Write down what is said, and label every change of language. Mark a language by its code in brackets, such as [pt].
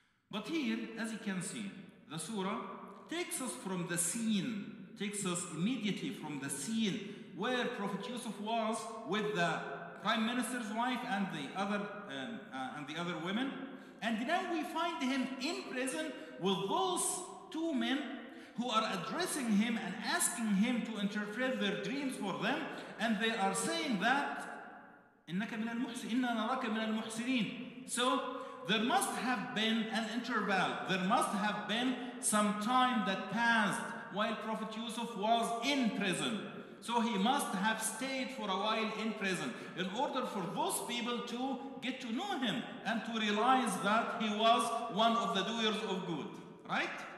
[en] But here, as you can see, the surah takes us from the scene, takes us immediately from the scene where Prophet Yusuf was with the prime minister's wife and the other women. And then we find him in prison with those two men who are addressing him and asking him to interpret their dreams for them. And they are saying that [ar] إِنَّكَ مِنَ الْمُحْسِنِينَ إِنَّا نَرَكَ مِنَ الْمُحْسِنِينَ. [en] So there must have been an interval. There must have been some time that passed while Prophet Yusuf was in prison. So he must have stayed for a while in prison in order for those people to get to know him and to realize that he was one of the doers of good, right?